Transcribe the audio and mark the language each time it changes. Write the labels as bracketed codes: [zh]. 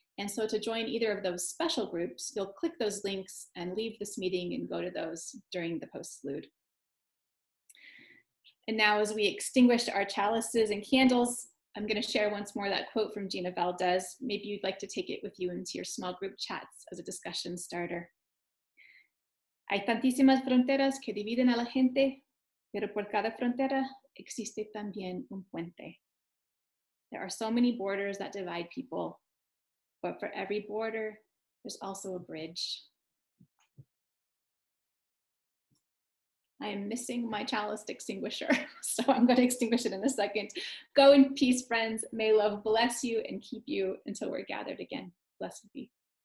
[en] And so to join either of those special groups, you'll click those links and leave this meeting and go to those during the postlude. And now as we extinguish our chalices and candles, I'm going to share once more that quote from Gina Valdez. Maybe you'd like to take it with you into your small group chats as a discussion starter. [es] Hay tantísimas fronteras que dividen a la gente, pero por cada frontera existe también un puente. [en] There are so many borders that divide people, but for every border, there's also a bridge. I am missing my chalice extinguisher, so I'm going to extinguish it in a second. Go in peace, friends. May love bless you and keep you until we're gathered again. Blessed be.